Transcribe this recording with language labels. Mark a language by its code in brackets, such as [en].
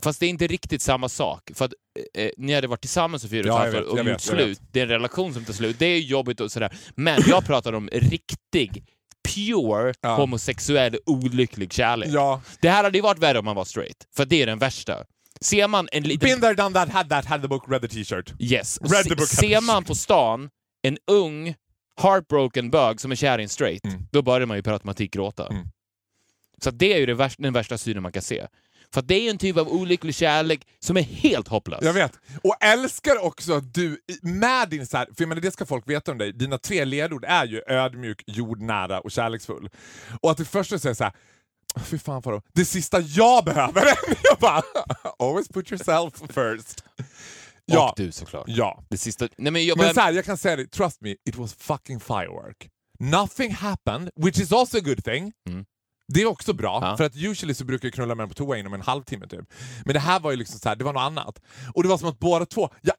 [sv] Fast det är inte riktigt samma sak. För att ni hade varit tillsammans för 4,5 år och gjort slut. Det är en relation som tar slut. Det är jobbigt och sådär. Men jag pratar om riktig, pure, homosexuell, olycklig kärlek. Ja. Det här hade ju varit värre om man var straight. För det är den värsta. Ser man en liten... [en] Been there, done that, had that, had the book, read the t-shirt. Yes. Read the book, [sv] ser man på stan en ung, heartbroken bög som är kär i en straight, då börjar man ju per automatik gråta. Mm. Så det är ju den värsta synen man kan se. För det är ju en typ av olycklig kärlek som är helt hopplös. Jag vet. Och älskar också att du, med din så här... För jag menar, det ska folk veta om dig. Dina tre ledord är ju ödmjuk, jordnära och kärleksfull. Och att du först säger så här... Fy fan vadå. Det sista jag behöver. Jag bara, [en] always put yourself first. [sv] Och ja, du såklart. Ja. Det sista... Nej, men, men så här, jag kan säga det. [en] Trust me, it was fucking firework. Nothing happened, which is also a good thing. Mm. [sv] Det är också bra. Ja. För att usually så brukar jag knulla med på toa inom en halvtimme typ. Men det här var ju liksom så här, det var något annat. Och det var som att båda två...